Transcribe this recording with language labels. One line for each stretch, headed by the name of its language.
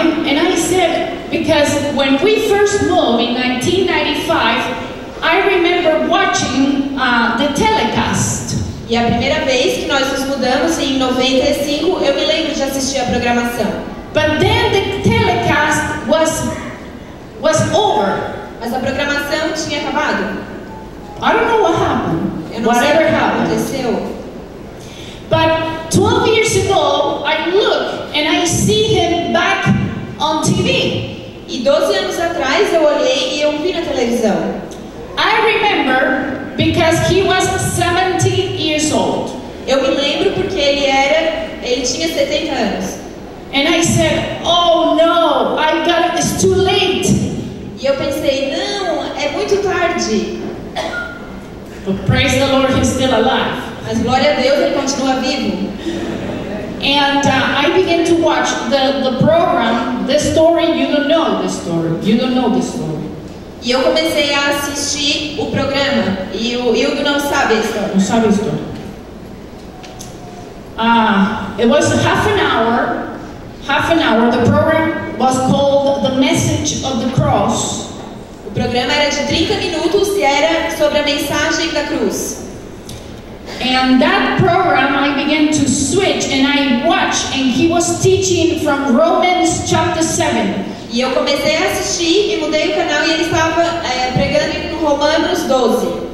English: And I said, because when we first moved in 1995, I remember watching the telecast.
Portuguese: E a primeira vez que nós nos mudamos em 95, eu me lembro de assistir a programação.
English: But then the telecast was over.
Portuguese: Mas a programação tinha acabado.
English: I don't know what happened.
Portuguese: Eu não
English: Whatever
Portuguese: sei o que
English: happened.
Portuguese: Aconteceu.
English: But 12 years ago, I look and I see him back on TV.
Portuguese: E 12 anos atrás eu olhei e eu vi na televisão.
English: I remember because he was 70 years old.
Portuguese: Eu me lembro porque ele tinha 70 anos.
English: And I said, "Oh no, I got it. It's too late."
Portuguese: E eu pensei, "Não, é muito tarde."
English: But praise the Lord, he's still alive.
Portuguese: Mas glória a Deus, ele continua vivo.
English: And I began to watch the program, the story, you don't know the story. You don't know the story.
Portuguese: E eu comecei a assistir o programa. E o Hugo não sabe a história. Não sabe a história.
English: It was half an hour. The program was called The Message of the Cross.
Portuguese: O programa era de 30 minutos e era sobre a mensagem da cruz.
English: And that program I began to switch and I watched and he was teaching from Romans chapter 7.
Portuguese: E eu comecei a assistir e mudei o canal e ele estava pregando em Romanos 12.